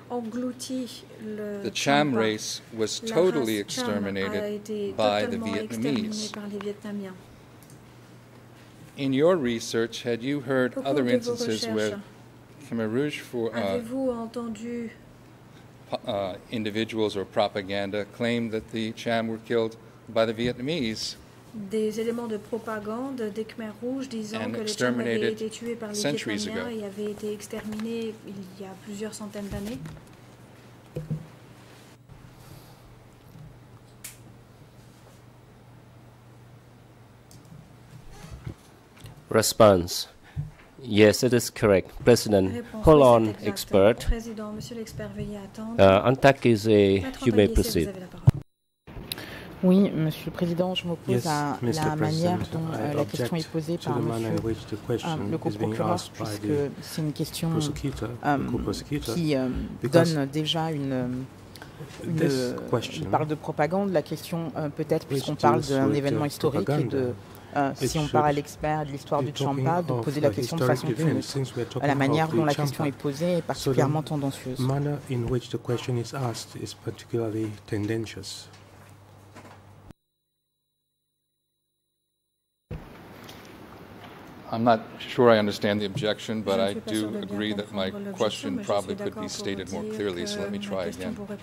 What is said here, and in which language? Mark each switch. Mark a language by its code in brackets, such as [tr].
[en] The Cham race was totally exterminated by the Vietnamese. In your research, had you heard other instances where Khmer Rouge for individuals or propaganda claimed that the Cham were killed by the Vietnamese? [fr] Des éléments de propagande des Khmer Rouge disant que les Cham avaient été tués par les Vietnamiens et avaient été exterminés il y a plusieurs centaines d'années. [en] Response. Yes, it is correct. President, hold on, expert. Antakis, you may proceed. [fr] Oui, Monsieur le Président, je m'oppose à la manière dont la question est posée par Monsieur le co-procureur, puisque c'est une question qui donne déjà il parle de propagande. La question peut-être, puisqu'on parle d'un événement historique et de si on parle à l'expert de l'histoire du Champa, de poser la question de façon différente. La manière dont la question est posée est particulièrement tendancieuse. [en] The manner in which the question is asked is particularly tendentious. I'm not sure I understand the objection, but I do agree that my question probably could be stated more clearly, so let me try again.